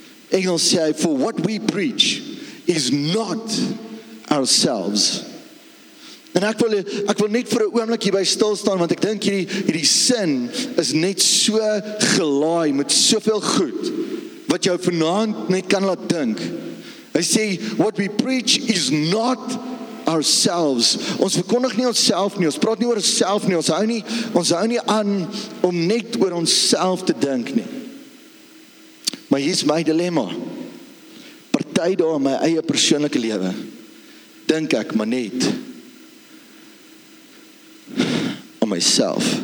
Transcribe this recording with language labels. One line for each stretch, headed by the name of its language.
Afrikaans: Engels sê,
English: for what we preach is not ourselves.
Afrikaans: En ek wil net vir 'n oomblik hierby stilstaan, want ek dink hierdie sin is net so gelaai met soveel goed wat jou vanaand net kan laat dink. Hy sê,
English: what we preach is not ourselves.
Afrikaans: Ons verkondig nie onsself nie, ons praat nie oor onsself nie, ons hou nie aan om net oor onsself te dink nie. Maar hier is my dilemma. Party daar in my eie persoonlike lewe, dink ek maar net aan myself.